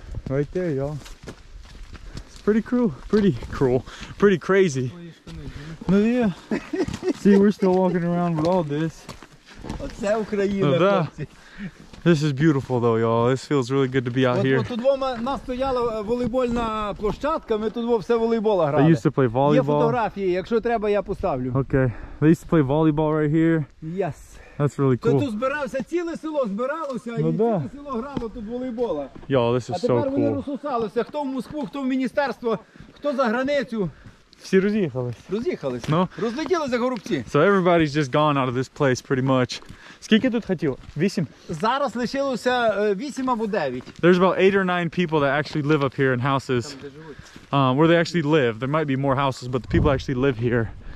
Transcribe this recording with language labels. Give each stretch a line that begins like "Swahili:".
English: Right there, y'all. It's pretty cruel. Pretty crazy.
Ukrainian: Ну є.
English: See, we're still walking around with all this.
Ukrainian: Оце Україна, хлопці.
English: This is beautiful though, y'all. This feels really good to be out here.
Ukrainian: Тут вдома у нас стояла волейбольна площадка, ми тут все волейбол грали.
English: They used to play volleyball.
Ukrainian: Є фотографії, якщо треба, я поставлю.
English: Okay. They used to play volleyball right here. Yes. That's really cool.
Ukrainian: Тут збирався ціле село, збиралося, і ціле село грало тут волейбола.
English: Y'all, this is so cool.
Ukrainian: А тепер вони розсусалися, хто в Москву, хто в міністерство, хто за границю. Всі роз'їхались. Роз'їхались.
English: No?
Ukrainian: Розлетілися горубці.
English: So everybody's just gone out of this place pretty much.
Ukrainian: Скільки тут хотіло? 8? Зараз лишилося 8 або 9.
English: There's about 8 or 9 people that actually live up here in houses. Where they actually live. There might be more houses, but the people actually live here.